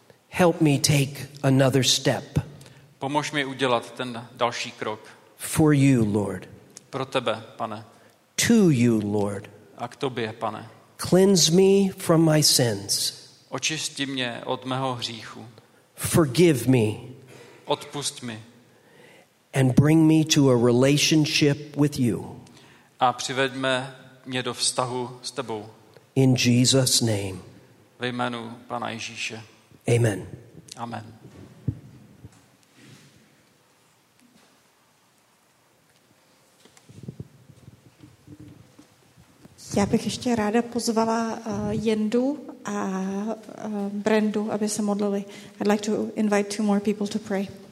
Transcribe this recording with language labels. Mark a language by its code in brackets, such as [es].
[en] Help me take another step. [cs] Pomož mi udělat ten další krok. [en] For you, Lord. [cs] Pro tebe, pane. [en] To you, Lord. [cs] A k tobě, pane. [en] Cleanse me from my sins. [cs] Očisti mě od mého hříchu. [en] Forgive me. [cs] Odpusť mi. [en] And bring me to a relationship with you. [cs] A přiveďme mě do vztahu s tebou. [en] In Jesus' name. [cs] Ve jménu Pana Ježíše. [en] Amen. [cs] Amen. Já bych ještě ráda pozvala Jendu a Brendu, aby se modlili. [en] I'd like to invite two more people to pray.